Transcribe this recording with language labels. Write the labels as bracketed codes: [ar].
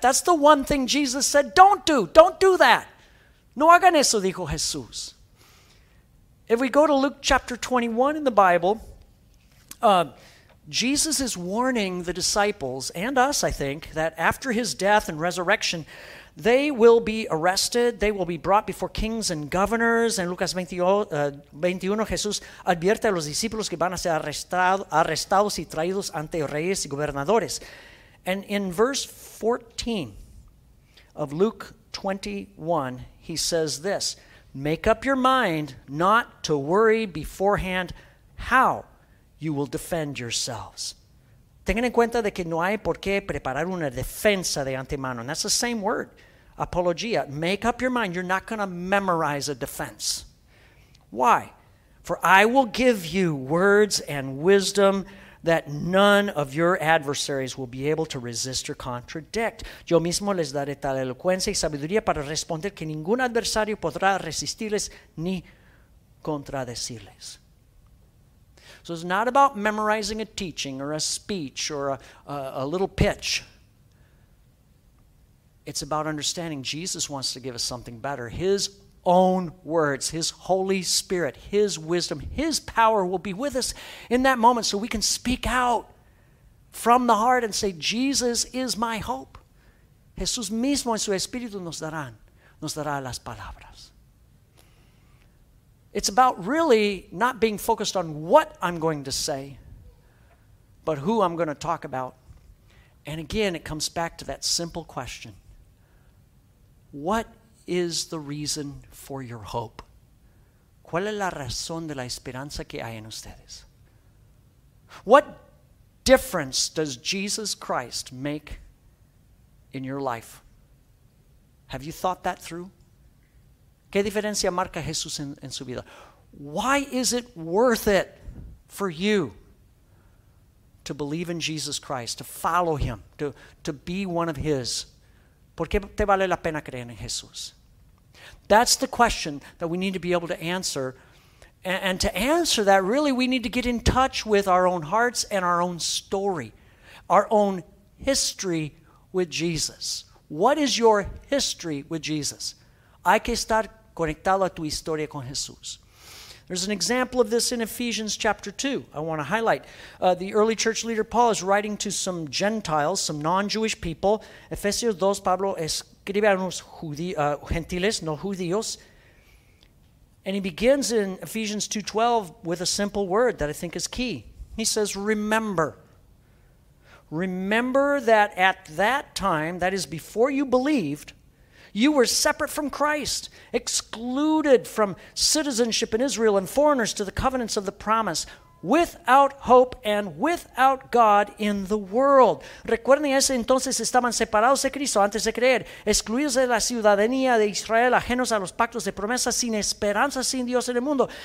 [en] That's the one thing Jesus said, don't do. Don't do that. [es] No hagan eso, dijo Jesús. [en] If we go to Luke chapter 21 in the Bible, Jesus is warning the disciples and us, I think, that after his death and resurrection, they will be arrested. They will be brought before kings and governors. [es] En Lucas 21, Jesús advierte a los discípulos que van a ser arrestados y traídos ante reyes y gobernadores. [en] And in verse 14 of Luke 21, he says this, make up your mind not to worry beforehand how you will defend yourselves. [es] Tengan en cuenta de que no hay por qué preparar una defensa de antemano. [en] And that's the same word, apologia. Make up your mind. You're not going to memorize a defense. Why? For I will give you words and wisdom that none of your adversaries will be able to resist or contradict. [es] Yo mismo les daré tal elocuencia y sabiduría para responder que ningún adversario podrá resistirles ni contradecirles. [en] So it's not about memorizing a teaching or a speech or a little pitch. It's about understanding Jesus wants to give us something better. His own words, his Holy Spirit, his wisdom, his power will be with us in that moment so we can speak out from the heart and say, Jesus is my hope. [es] Jesús mismo en su espíritu nos dará las palabras. [en] It's about really not being focused on what I'm going to say, but who I'm going to talk about. And again, it comes back to that simple question. What is the reason for your hope? [es] ¿Cuál es la razón de la esperanza que hay en ustedes? [en] What difference does Jesus Christ make in your life? Have you thought that through? [es] ¿Qué diferencia marca Jesús en su vida? [en] Why is it worth it for you to believe in Jesus Christ, to follow him, to be one of his? [es] ¿Por qué te vale la pena creer en Jesús? [en] That's the question that we need to be able to answer. And to answer that, really, we need to get in touch with our own hearts and our own story, our own history with Jesus. What is your history with Jesus? [es] Hay que estar conectado a tu historia con Jesús. [en] There's an example of this in Ephesians chapter 2. I want to highlight. The early church leader Paul is writing to some Gentiles, some non-Jewish people. [es] Efesios 2, Pablo escribe a unos gentiles, no judíos. [en] And he begins in Ephesians 2:12 with a simple word that I think is key. He says, remember. Remember that at that time, that is before you believed, you were separate from Christ, excluded from citizenship in Israel and foreigners to the covenants of the promise, without hope and without God in the world. [es] Recuerden, ese entonces estaban separados de Cristo antes de creer, excluidos de la ciudadanía de Israel, ajenos a los pactos de promesa, sin esperanza, sin Dios en el mundo.